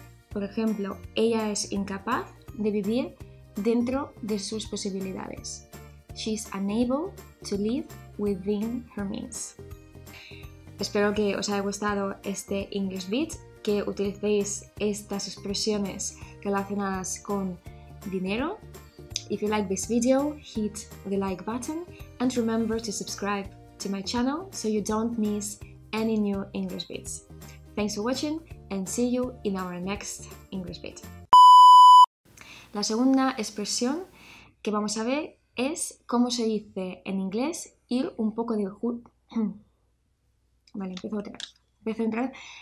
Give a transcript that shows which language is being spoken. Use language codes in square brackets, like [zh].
[es] Por ejemplo, ella es incapaz de vivir dentro de sus posibilidades. [en] She's unable to live within her means. [es] Espero que os haya gustado este English Beat, que utilicéis estas expresiones relacionadas con dinero. [en] If you like this video, hit the like button and remember to subscribe to my channel so you don't miss any new English Beats. Thanks for watching and see you in our next English Beat. [es] La segunda expresión que vamos a ver es cómo se dice en inglés ir un poco de Vale, empiezo otra vez.